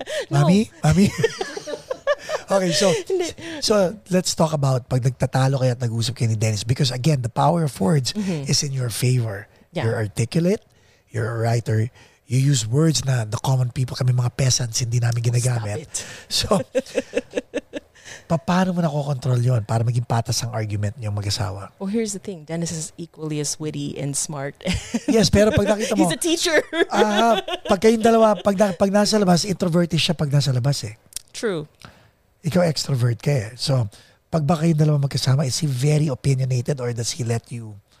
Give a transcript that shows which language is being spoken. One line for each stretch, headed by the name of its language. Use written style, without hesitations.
Filipino: Mami?
English: Okay, so let's talk about
Filipino: pag nagtatalo kayo at nag-usap kayo ni Dennis.
English: Because again, the power of words is in your favor. Yeah. You're articulate, you're a writer, you use words na the common people,
Filipino: kami mga peasants, hindi namin ginagamit. So, paano mo nakokontrol yun para maging patas ang argument niyong mag-asawa?
English: Well, here's the thing. Dennis is equally as witty and smart.
Filipino: Yes, pero pag nakita mo...
English: He's a teacher.
Filipino: Pag kayong dalawa, pag nasa labas, introverted siya pag nasa labas eh.
English: True.
Filipino: Ikaw extrovert ka eh.
English: So,
Filipino: pag ba kayong dalawa magkasama,
English: is he very opinionated or does he let you...